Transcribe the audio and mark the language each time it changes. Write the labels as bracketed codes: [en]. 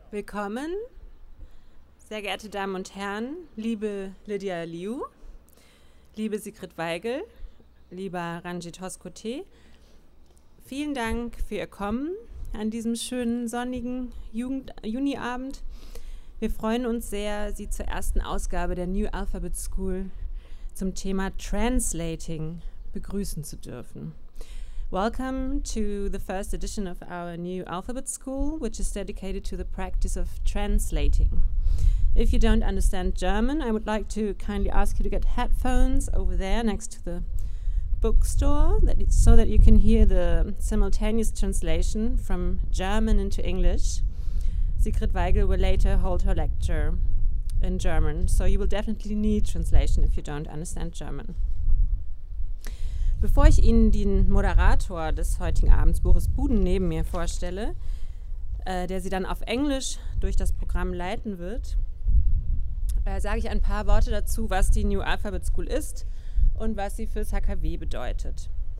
[de] Willkommen, sehr geehrte Damen und Herren, liebe Lydia Liu, liebe Sigrid Weigel, lieber Ranjit Hoskote. Vielen Dank für Ihr Kommen an diesem schönen sonnigen Juniabend. Wir freuen uns sehr, Sie zur ersten Ausgabe der New Alphabet School zum Thema Translating begrüßen zu dürfen. [en] Welcome to the first edition of our new Alphabet School, which is dedicated to the practice of translating. If you don't understand German, I would like to kindly ask you to get headphones over there next to the bookstore so that you can hear the simultaneous translation from German into English. Sigrid Weigel will later hold her lecture in German, so you will definitely need translation if you don't understand German. [de] Bevor ich Ihnen den Moderator des heutigen Abends, Boris Buden, neben mir vorstelle, der Sie dann auf Englisch durch das Programm leiten wird, sage ich ein paar Worte dazu, was die New Alphabet School ist und was sie fürs HKW bedeutet.